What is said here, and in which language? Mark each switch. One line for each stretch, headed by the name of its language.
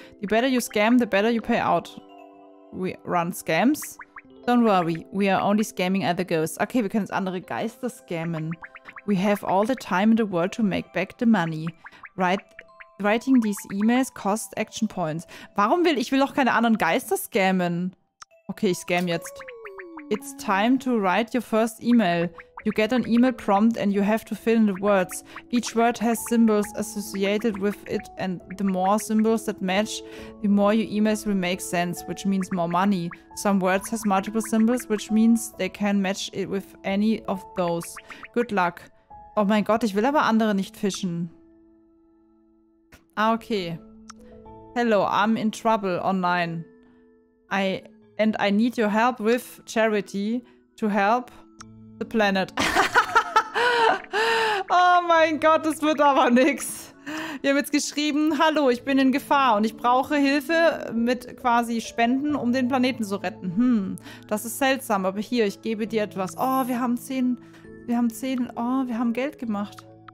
English: The better you scam, the better you pay out. We run scams. Don't worry, we are only scamming other ghosts.
German: Okay, wir können jetzt andere Geister scammen.
English: We have all the time in the world to make back the money. Writing these emails costs action points.
German: Warum will ich will auch keine anderen Geister scammen? Okay, ich scam jetzt.
English: It's time to write your first email. You get an email prompt and you have to fill in the words. Each word has symbols associated with it and the more symbols that match, the more your emails will make sense, which means more money. Some words has multiple symbols, which means they can match it with any of those. Good luck.
German: Oh mein Gott, ich will aber andere nicht fischen.
English: Ah, okay. Hello, I'm in trouble online. I need your help with charity to help the planet.
German: Oh mein Gott, das wird aber nix. Wir haben jetzt geschrieben, hallo, ich bin in Gefahr und ich brauche Hilfe mit quasi Spenden, um den Planeten zu retten. Hm, das ist seltsam, aber hier, ich gebe dir etwas. Oh, wir haben Geld gemacht.